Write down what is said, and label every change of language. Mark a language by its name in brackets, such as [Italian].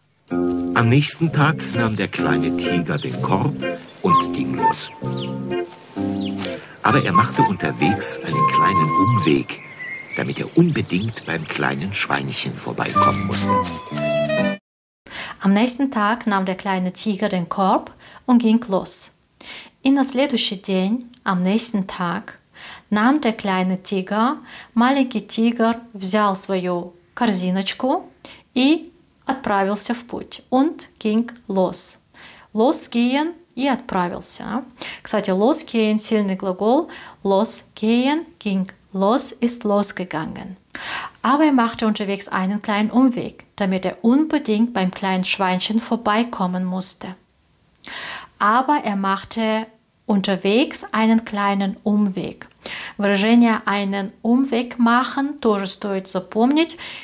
[German] Am nächsten Tag nahm der kleine Tiger den Korb und ging los. Aber er machte unterwegs einen kleinen Umweg, damit er unbedingt beim kleinen Schweinchen vorbeikommen musste. Am nächsten Tag nahm der kleine Tiger den Korb und ging los. [Russian] И на следующий день, [German] am nächsten Tag, nahm der kleine Tiger, [Russian] маленький тигр, взял свою корзиночку и отправился в путь. [German] Und ging los. [Russian] Los gehen и отправился. Кстати, los gehen – сильный глагол. [German] Los gehen, ging los, ist losgegangen. Aber er machte unterwegs einen kleinen Umweg, damit er unbedingt beim kleinen Schweinchen vorbeikommen musste. Aber er machte unterwegs einen kleinen Umweg. [Russian] Выражение [German] «einen Umweg machen» [Russian] тоже стоит запомнить.